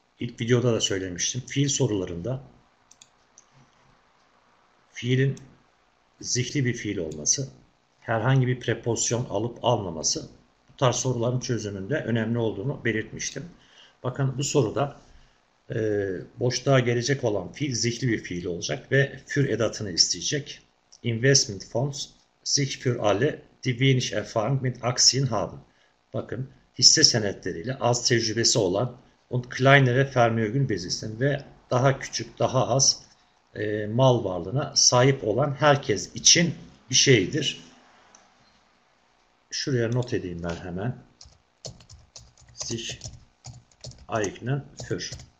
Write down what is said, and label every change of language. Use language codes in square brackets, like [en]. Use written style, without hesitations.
[tr] İlk videoda da söylemiştim. Fiil sorularında fiilin zihni bir fiil olması, herhangi bir prepozisyon alıp almaması bu tarz soruların çözümünde önemli olduğunu belirtmiştim. Bakın bu soruda boşluğa gelecek olan fiil zihni bir fiil olacak ve für edatını isteyecek. [de] Investment funds sich für alle die wenig Erfahrung mit Aktien haben. [tr] Bakın hisse senetleriyle az tecrübesi olan [de] und kleinere Vermögen besitzen [tr] ve daha küçük, daha az mal varlığına sahip olan herkes için bir şeydir. Şuraya not edeyim ben hemen. [de] Sich eignen für.